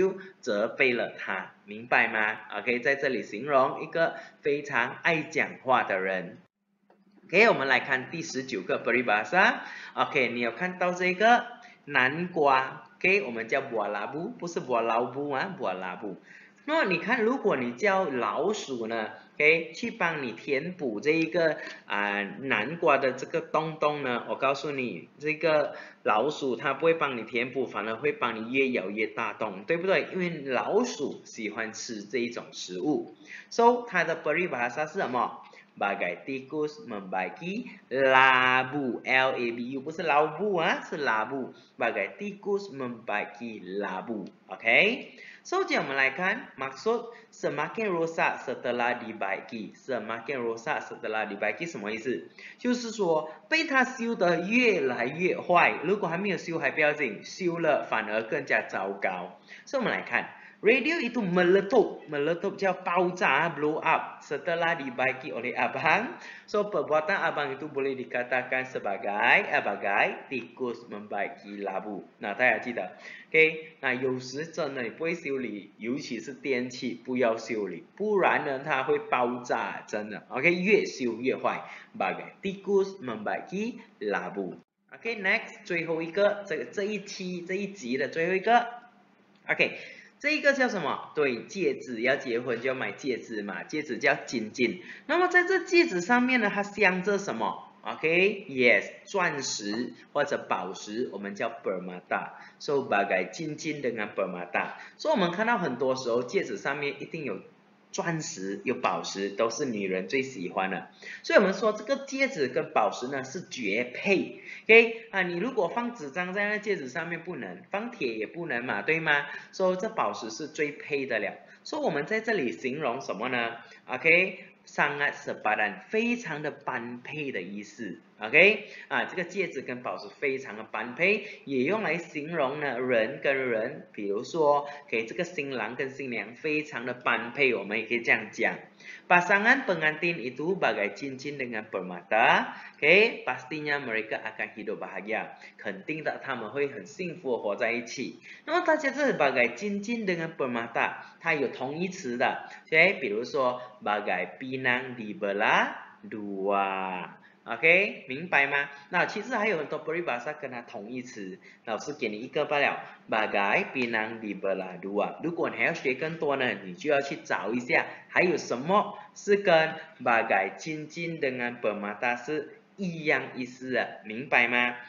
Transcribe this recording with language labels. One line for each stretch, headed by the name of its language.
Chinese: 就说这个人呢每次在班上呢跟朋友聊天没有去听老师教的东西，所以老师就责备了他，明白吗？OK， 在这里形容一个非常爱讲话的人。 OK， 我们来看第19个 peribahasa。OK， 你有看到这个 南瓜？
Malay: OK，
Chinese: 我们叫
Malay: buah labu，
Chinese: 不是
Malay: buah labu 啊， buah labu。
Chinese: 那你看，如果你叫老鼠呢？OK， 去帮你填补这一个南瓜的这个洞洞呢？我告诉你，这个老鼠它不会帮你填补，反而会帮你越咬越大洞，对不对？因为老鼠喜欢吃这一种食物。So， 它的 peribahasa 是什么？
Malay: Bagai tikus membaiki labu, L-A-B-U,
Chinese: 不是
Malay: labu 啊, 是 labu. Bagai tikus membaiki labu, OK? So, jom
Chinese: 来看,
Malay: maksud semakin rosak setelah dibaiki. Semakin rosak setelah dibaiki,
Chinese: 什么意思? 就是说,被它修得越来越坏, 如果还没有修还不要紧, 修了反而更加糟糕.
Malay: So,
Chinese: 我们来看,
Malay: radio itu meletup, meletup
Chinese: 叫爆炸,
English: blow up,
Malay: setelah dibaiki oleh abang. So, perbuatan abang itu boleh dikatakan sebagai, bagai tikus membaiki labu.
Chinese: Nah, 大家记得, okay? Nah, 有时真的你不会修理, 尤其是电器, 不要修理, 不然呢, 它会爆炸, 真的, okay? 越修越坏,
Malay: bagai tikus membaiki labu.
Chinese: Okay, next, 最后一个, 这一期, 这一集的最后一个, okay, 这一个叫什么？对，戒指，要结婚就买戒指嘛，戒指叫金金。那么在这戒指上面呢，它镶着什么？ OK, yes, 钻石或者宝石, 我们叫 permata.
Malay: So, bagai cincin dengan permata.
Chinese: So, 我们看到很多时候戒指上面一定有钻石，有宝石, 都是女人最喜欢的。所以我们说这个戒指跟宝石呢, 是绝配。 OK, 你如果放纸张在那戒指上面不能, 放铁也不能嘛, 对吗? 所以这宝石是最配的了。所以我们在这里形容什么呢? OK, 上岸十八单, 非常的般配的意思。 OK, 这个戒指跟宝石非常的般配, 也用来形容呢人跟人, 比如说, OK, 这个新郎跟新娘 非常的般配, 我们也可以这样讲。
Malay: Pasangan pengantin itu bagai cincin dengan permata, okay, pastinya mereka akan hidup bahagia.
Chinese: 肯定的他们会很幸福活在一起. 那么大家这是
Malay: bagai cincin dengan permata,
Chinese: 它有同义词的, okay, 比如说
Malay: bagai pinang dibelah dua.
Chinese: OK, 明白吗? 那其实还有很多 peribahasa 跟它同义词, 老师给你一个罢了,
Malay: bagai pinang dibelah dua.
Chinese: 如果你还要学更多呢, 你就要去找一下, 还有什么是跟
Malay: bagai cincin dengan permata
Chinese: 是一样意思的, 明白吗?